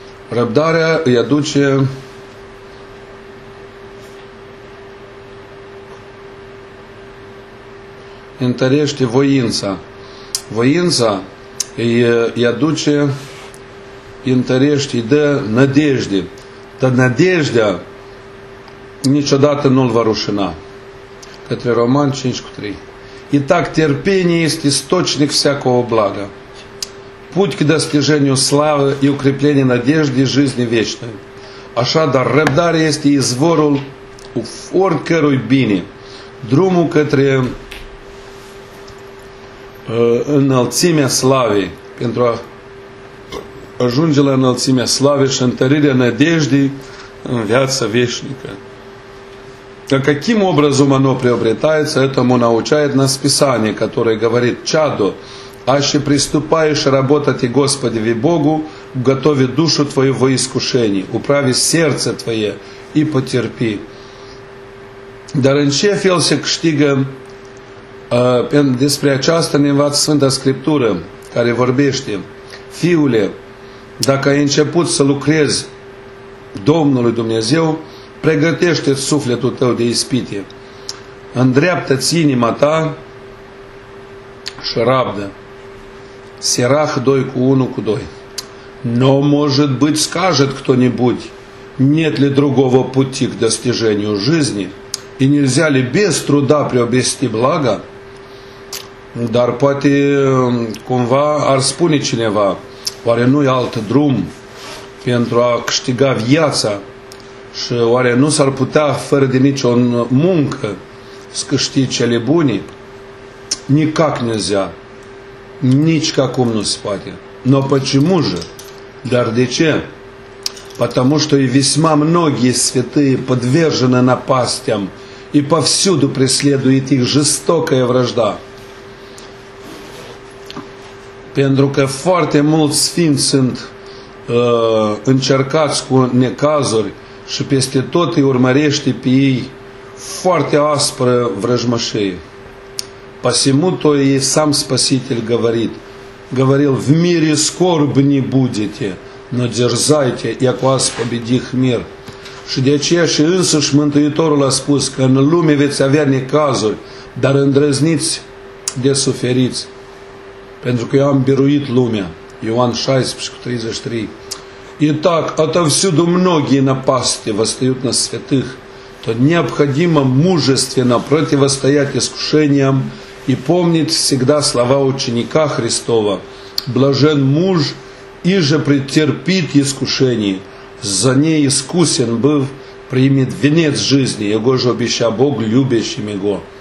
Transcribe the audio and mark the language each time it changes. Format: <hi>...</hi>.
<ro>Răbdarea îi aduce întărește voința. Voința îi aduce întărește, îi dă nădejde. Dar nădejdea niciodată nu-l va rușina. Către Roman 5:3.</ro> <ru>И так терпение есть источник всякого блага, путь к достижению славы и укреплению надежды жизни вечной.</ru> <ro>Așadar, răbdare este izvorul oricărui bine, drumul către înălțimea slavei, pentru a ajunge la înălțimea slavei și întărirea nădejdii în viața veșnică. Dar</ro> <ru>каким образом оно приобретается, этому научает нас Писание, которое говорит: чадо, аще приступаешь работать и Господи ви Богу, готови душу твою во искушении, управи сердце твое и потерпи.</ru> <ro>Dar în ce fel se câștigă, despre aceasta ne învață Sfânta Scriptură, care vorbește: fiule, dacă ai început să lucrezi Domnului Dumnezeu, pregătește sufletul tău de ispite, îndreaptă-ți inima ta și rabdă. Sirah 2 cu 1 cu 2.</ro> <ru>Но, может быть, скажет кто-нибудь, нет ли другого пути к достижению жизни, и нельзя ли без труда приобрести благо?</ru> <ro>Dar poate cumva ar spune cineva, oare nu-i alt drum pentru a câștiga viața și oare nu s-ar putea fără de nicio muncă să câștigi cele bune?</ro> <ru>Никак нельзя.</ru> <ro>Nici ca cum nu se poate.</ro> <ru>Но почему же?</ru> <ro>Dar de ce?</ro> <ru>Потому что и весьма многие святые подвержены напастям, и повсюду преследует их жестокая вражда.</ru> <ro>Pentru că foarte mulți sfinți sunt încercați cu necazuri și peste tot îi urmărește pe ei foarte aspră vrăjmășie.</ro> <ru>Посему то и сам Спаситель говорит, говорил, в мире скорбь не будете, но дерзайте, як вас победих мир.</ru> <ro>Și de aceea și însuși Mântuitorul a spus că în lume veți avea necazuri, dar îndrăzniți de suferiți. Pentru că eu am biruit lumea. Ioan 16:33.</ro> <ru>И так, отовсюду многие напасти восстают на святых, то необходимо мужественно противостоять искушениям и помнить всегда слова ученика Христова: «Блажен муж, иже претерпит искушение, за ней искусен быв, примет венец жизни, его же обеща Бог любящим его».</ru>